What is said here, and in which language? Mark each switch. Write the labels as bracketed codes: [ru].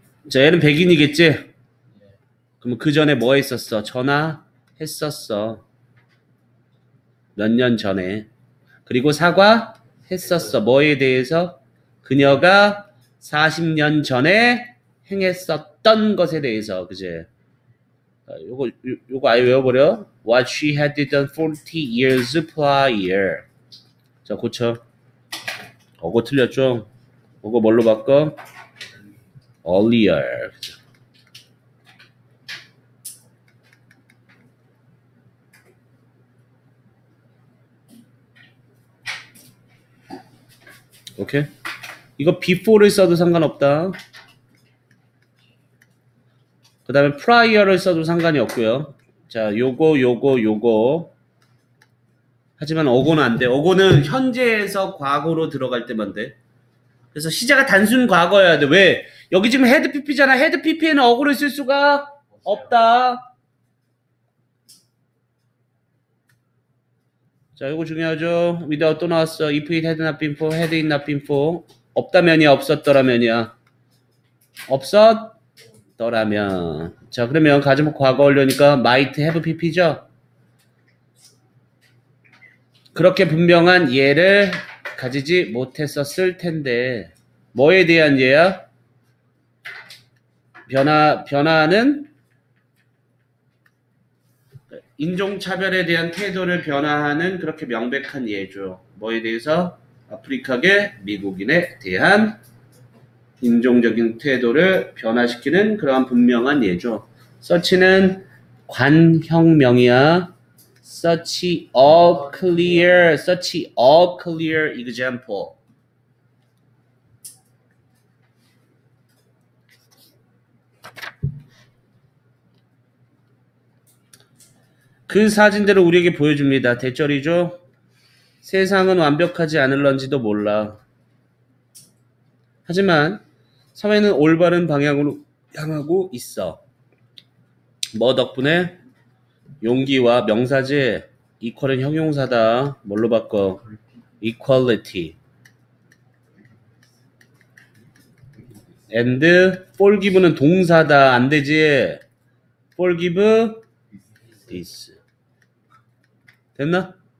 [ko] 자, 얘는 백인이겠지? 그럼 그 전에 뭐 했었어? 전화했었어. 몇 년 전에. 그리고 사과했었어. 뭐에 대해서? 그녀가 40년 전에 행했었던 것에 대해서. 그제? 요거 아예 외워버려. [en] What she had done 40 years prior. [ko] 자, 고쳐. 그거 틀렸죠? 그거 뭘로 바꿔? Earlier. 오케이. 이거 before를 써도 상관없다. 그 다음에 prior를 써도 상관이 없고요. 자, 요거. 하지만 어고는 안 돼. 어고는 현재에서 과거로 들어갈 때만 돼. 그래서 시제가 단순 과거여야 돼. 왜? 여기 지금 헤드피피잖아. 헤드피피에는 어고를 쓸 수가 없다. 자, 이거 중요하죠. without 또 나왔어. [en] if it had not been for, had it not been for. [ko] 없다면이야, 없었더라면이야. 없었더라면. 자, 그러면 가지고 과거 올려니까 might have pp죠? 그렇게 분명한 예를 가지지 못했었을 텐데. 뭐에 대한 예야? 변화는? 인종차별에 대한 태도를 변화하는 그렇게 명백한 예죠. 뭐에 대해서? 아프리카계 미국인에 대한 인종적인 태도를 변화시키는 그러한 분명한 예죠. Such는 관형명이야. [en] Such a clear, such a clear example. [ko] 그 사진들을 우리에게 보여줍니다. 대절이죠? 세상은 완벽하지 않을런지도 몰라. 하지만 사회는 올바른 방향으로 향하고 있어. 뭐 덕분에? 용기와 명사지. equal은 형용사다. 뭘로 바꿔? equality. and forgive는 동사다. 안되지? [en] forgive is. 됐나?